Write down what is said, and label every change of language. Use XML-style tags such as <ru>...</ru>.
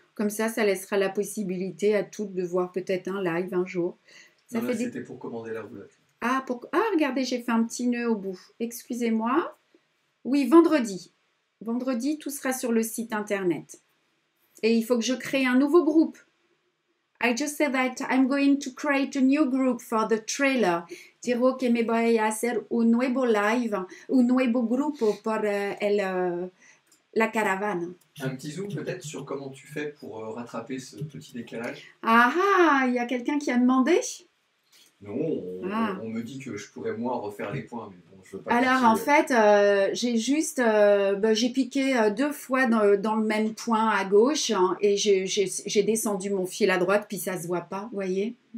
<fr>Comme ça, ça laissera la possibilité à toutes de voir peut-être un live un jour. Ça non, fait là, des... C'était pour commander la roulette. Ah, pour... ah, regardez, j'ai fait un petit nœud au bout. Excusez-moi. Oui, vendredi. Vendredi, tout sera sur le site internet. Et il faut que je crée un nouveau groupe.</fr> <en>I just said that I'm going to create a new group for the trailer.</en> <es>Diro que me voy a hacer un nuevo live, un nuevo grupo por el, la caravana.</es> <fr>Un petit zoom peut-être sur comment tu fais pour rattraper ce petit décalage. Ah ah, il y a quelqu'un qui a demandé? Non, on me dit que je pourrais moi refaire les points, mais bon, je veux pas. Alors en fait, j'ai juste, j'ai piqué deux fois dans le même point à gauche hein, et j'ai descendu mon fil à droite, puis ça se voit pas, vous voyez.</fr>